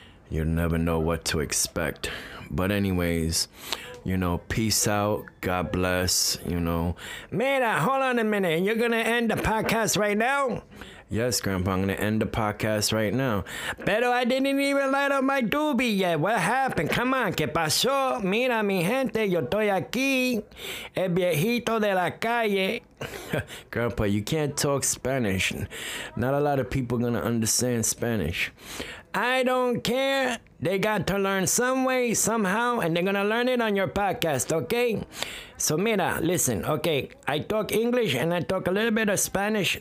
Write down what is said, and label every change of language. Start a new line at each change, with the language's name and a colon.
English: You never know what to expect. But anyways, you know, peace out. God bless, you know. Mira, hold on a minute. You're going to end the podcast right now? Yes, Grandpa, I'm going to end the podcast right now. Pero I didn't even light up my doobie yet. What happened? Come on,
Spanish: ¿qué pasó? Mira, mi gente, yo estoy aquí, el viejito de la calle.
English: Grandpa, you can't talk Spanish. Not a lot of people are going to understand Spanish. I don't care. They got to learn some way, somehow, and they're going to learn it on your podcast, okay? So, mira, listen, okay, I talk English and I talk a little bit of Spanish.